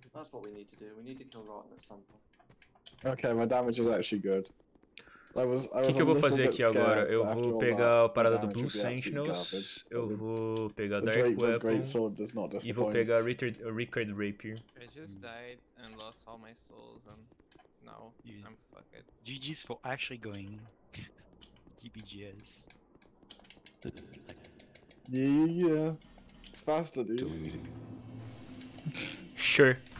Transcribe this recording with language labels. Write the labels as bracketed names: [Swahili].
[English] That's what we need to do. We need to kill Rotten at some point. Okay, my damage is actually good. [Portuguese] O que eu vou fazer aqui agora? Eu vou pegar a parada do Blue Sentinels, eu vou pegar Dark Weapon e vou pegar Rickard Rapier. [English] I just died and lost all my souls and now I'm fucked. GG's for actually going GBGS. Yeah. It's faster, dude. Sure.